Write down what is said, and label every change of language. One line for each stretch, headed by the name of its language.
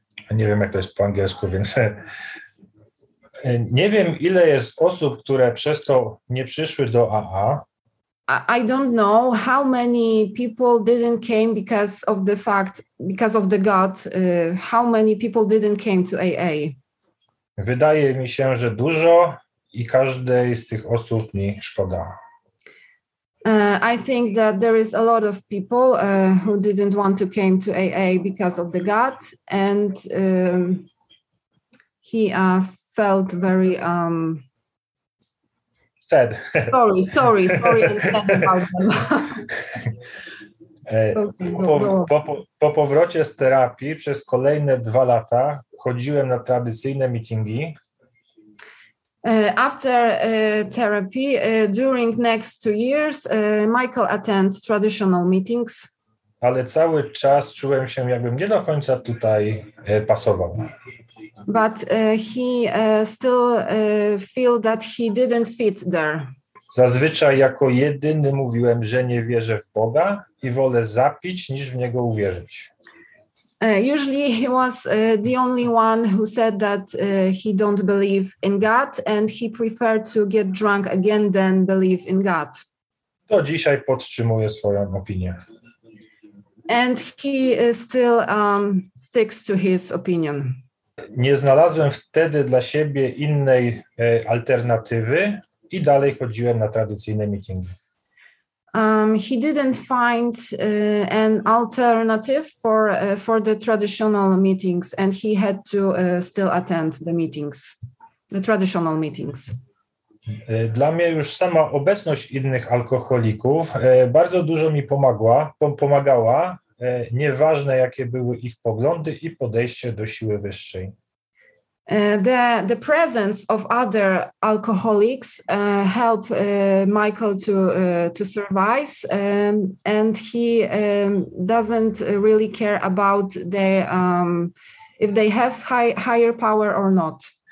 Polish: Nie wiem, jak to jest po angielsku, więc... Nie wiem, ile jest osób, które przez to nie przyszły do AA.
English: I don't know how many people didn't came because of the fact, because of the God, how many people didn't came to AA.
Polish: Wydaje mi się, że dużo i każdej z tych osób mi szkoda.
English: I think that there is a lot of people who didn't want to came to AA because of the God, and he felt very sad. Sorry, and sad about them.
Polish: Po powrocie z terapii przez kolejne dwa lata chodziłem na tradycyjne meetingi.
English: After therapy, during next 2 years, Michael attend traditional meetings.
Polish: Ale cały czas czułem się, jakbym nie do końca tutaj pasował.
English: But he still feel that he didn't fit there.
Polish: Zazwyczaj jako jedyny mówiłem, że nie wierzę w Boga i wolę zapić, niż w Niego uwierzyć.
English: Usually he was the only one who said that he don't believe in God and he preferred to get drunk again than believe in God.
Polish: To dzisiaj podtrzymuje swoją opinię.
English: And he still sticks to his opinion.
Polish: Nie znalazłem wtedy dla siebie innej alternatywy i dalej chodziłem na tradycyjne meetingi.
English: He didn't find an alternative for the traditional meetings, and he had to still attend the meetings, the traditional meetings.
Polish: Dla mnie już sama obecność innych alkoholików bardzo dużo mi pomagała, nieważne jakie były ich poglądy i podejście do siły wyższej.
English: The presence of other alcoholics help Michael to survive, and he doesn't really care about their if they have higher power or not.